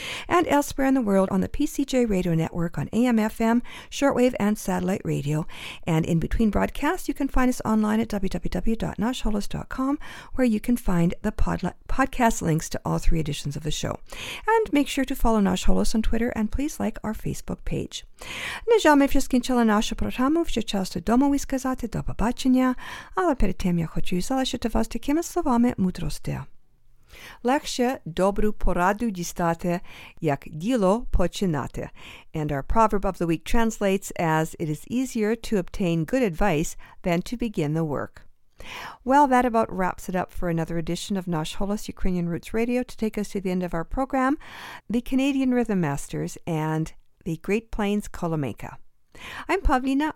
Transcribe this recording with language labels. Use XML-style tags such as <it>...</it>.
<en>And elsewhere in the world on the PCJ Radio Network on AM, FM, shortwave, and satellite radio. And in between broadcasts, you can find us online at www.nashholos.com, where you can find the podcast links to all three editions of the show. And make sure to follow Nash Holos on Twitter, and please like our Facebook page.</en> <uk>Нежами вже скінчила нашу програму, вже час додому і сказати до побачення, але перед тим я хочу залишити вас такими словами мудрості. Легше добру пораду дістати, як діло починати.</uk> <en>And our proverb of the week translates as, it is easier to obtain good advice than to begin the work. Well, that about wraps it up for another edition of Nash Holos Ukrainian Roots Radio. To take us to the end of our program, the Canadian Rhythm Masters and the Great Plains Kolomeika. I'm Pavlina.</en>